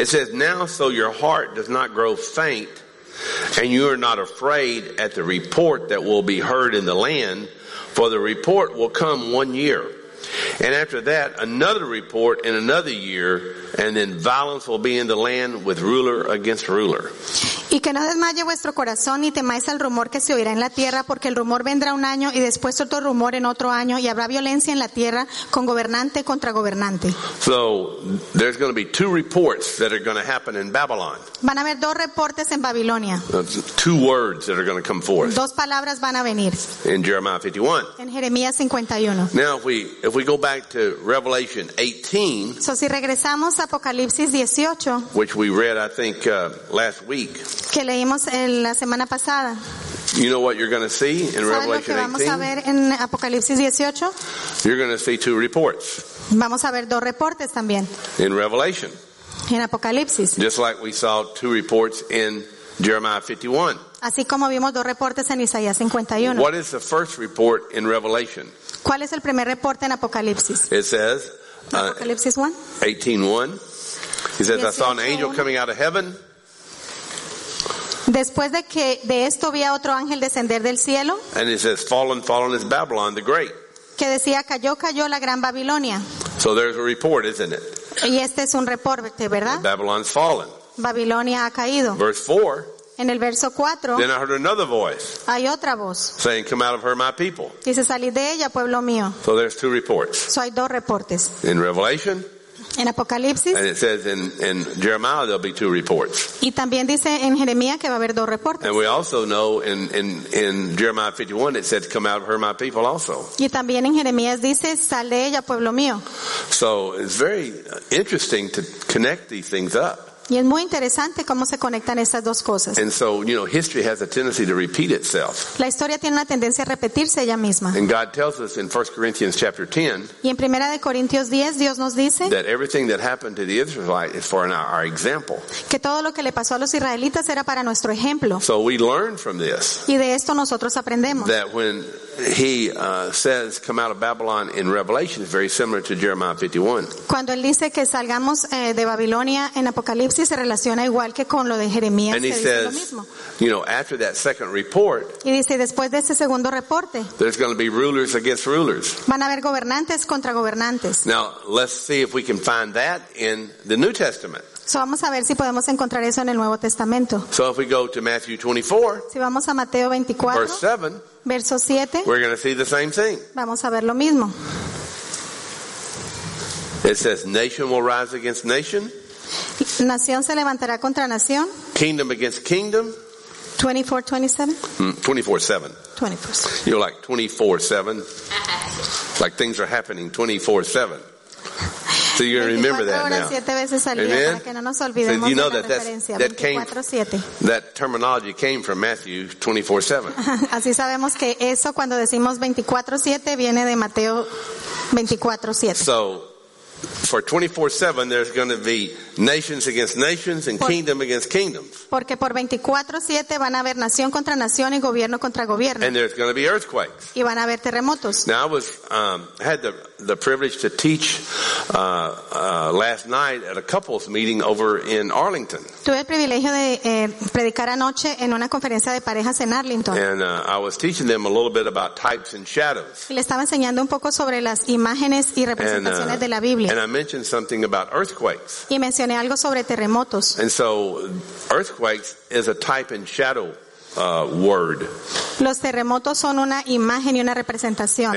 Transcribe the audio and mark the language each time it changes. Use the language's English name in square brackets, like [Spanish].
[English] It says, "Now so your heart does not grow faint, and you are not afraid at the report that will be heard in the land, for the report will come 1 year. And after that, another report in another year, and then violence will be in the land with ruler against ruler." [Spanish] Y que no desmaye vuestro corazón ni temáis al rumor que se oirá en la tierra, porque el rumor vendrá un año y después otro rumor en otro año, y habrá violencia en la tierra con gobernante contra gobernante. [English] So there's going to be two reports that are going to happen in Babylon. [Spanish] Van a haber dos reportes en Babilonia. [English] Two words that are going to come forth. [Spanish] Dos palabras van a venir. [English] In Jeremiah 51. [Spanish] En Jeremías 51. [English] Now if we go back to Revelation 18. [Spanish] So si regresamos a Apocalipsis 18. [English] Which we read, I think, last week. [Spanish] Que leímos en la semana pasada. [English] You know what you're going to see in Revelation 18? [Spanish] ¿Sabes lo que vamos a ver en Apocalipsis 18? [English] You're going to see two reports. [Spanish] Vamos a ver dos reportes también. [English] In Revelation. [Spanish] En Apocalipsis. [English] Just like we saw two reports in Jeremiah 51. [Spanish] Así como vimos dos reportes en Isaías 51. [English] What is the first report in Revelation? [Spanish] ¿Cuál es el primer reporte en Apocalipsis? [English] It says, [Spanish] Apocalipsis [English] 18:1. He says, "I saw an angel coming out of heaven." [Spanish] Después de que de esto vi a otro ángel descender del cielo. [English] And it says, fallen is Babylon the great." [Spanish] Que decía, cayó la gran Babilonia. [English] So there's a report, isn't it? [Spanish] Y este es un reporte, ¿verdad? [English] Babylon's fallen. [Spanish] Babilonia ha caído. [English] Verse 4. [Spanish] En el verso 4. [English] Then I heard another voice. [Spanish] Hay otra voz. [English] Saying, "Come out of her, my people." [Spanish] Dice, salí de ella, pueblo mío. [English] So there's two reports. [Spanish] So hay dos reportes. [English] In Revelation. [Spanish] En Apocalipsis. [English] And it says in Jeremiah there'll be two reports. [Spanish] Y también dice en Jeremías que va a haber dos reportes. [English] And we also know in Jeremiah 51 it says, "Come out of her, my people," also. [Spanish] Y también en Jeremías dice, "Sal de ella, pueblo mío." [English] So it's very interesting to connect these things up. [Spanish] Y es muy interesante cómo se conectan estas dos cosas. [English] And so, you know, history has a tendency to repeat itself. [Spanish] La historia tiene una tendencia a repetirse ella misma. [English] And God tells us in 1 Corinthians chapter 10. [Spanish] Y en Primera de Corintios 10 Dios nos dice. [English] That everything that happened to the Israelites is for our example. [Spanish] Que todo lo que le pasó a los israelitas era para nuestro ejemplo. [English] So we learn from this. [Spanish] Y de esto nosotros aprendemos. [English] That when He says, "Come out of Babylon" in Revelation is very similar to Jeremiah 51. [Spanish] Cuando él dice que salgamos de Babilonia en Apocalipsis se relaciona igual que con lo de Jeremías. [English] And he says, [Spanish] lo mismo. [English] You know, after that second report. [Spanish] Y dice después de ese segundo reporte. [English] There's going to be rulers against rulers. [Spanish] Van a haber gobernantes contra gobernantes. [English] Now let's see if we can find that in the New Testament. [Spanish] So vamos a ver si podemos encontrar eso en el Nuevo Testamento. [English] So if we go to Matthew 24. [Spanish] Si vamos a Mateo 24. [English] Verse 7. [Spanish] Verso 7. [English] We're going to see the same thing. [Spanish] Vamos a ver lo mismo. [English] It says, "Nation will rise against nation." [Spanish] Nación se levantará contra nación. [English] Kingdom against kingdom. 24:7. You're like 24:7. Like things are happening 24/7. So you're going to remember that now. Amen? So you know that terminology came from Matthew 24:7. [Spanish] Así sabemos que eso cuando decimos 24:7 viene de Mateo 24:7. [English] So for 24/7 there's going to be nations against nations and kingdom against kingdoms. [Spanish] Porque por 24:7 van a haber nación contra nación y gobierno contra gobierno. [English] And there's going to be earthquakes. [Spanish] Y van a haber terremotos. [English] Now I had the privilege to teach last night at a couples meeting over in Arlington. [Spanish] Tuve el privilegio de predicar anoche en una conferencia de parejas en Arlington. [English] And I was teaching them a little bit about types and shadows. [Spanish] Y le estaba enseñando un poco sobre las imágenes y representaciones de la Biblia. [English] And I mentioned something about earthquakes. [Spanish] Y mencioné algo sobre terremotos. [English] And so earthquakes is a type and shadow word. [Spanish] Los terremotos son una imagen y una representación.